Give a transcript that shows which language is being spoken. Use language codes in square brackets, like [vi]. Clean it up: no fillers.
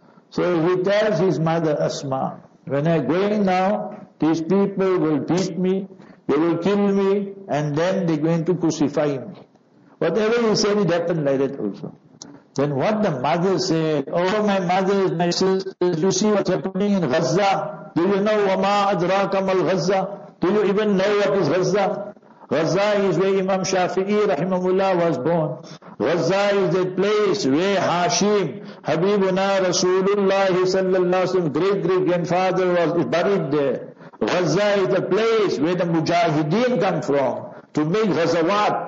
[en] So he tells his mother Asma, when I go in now, these people will beat me, they will kill me, and then they're going to crucify me. Whatever he said, it happened like that also. Then what the mother said, oh my mother, my sisters, you see what's happening in Gaza? Do you know [ar] وَمَا أَدْرَاكَ مَا الْغَزَّةَ? [en] Do you even know what is Gaza? Gaza is where Imam Shafi'i rahimahullah was born. Gaza is that place where Hashim, Habibuna Rasulullah sallallahu alayhi wa sallam, great grandfather was buried there. Gaza is the place where the Mujahideen come from to make Ghazawat.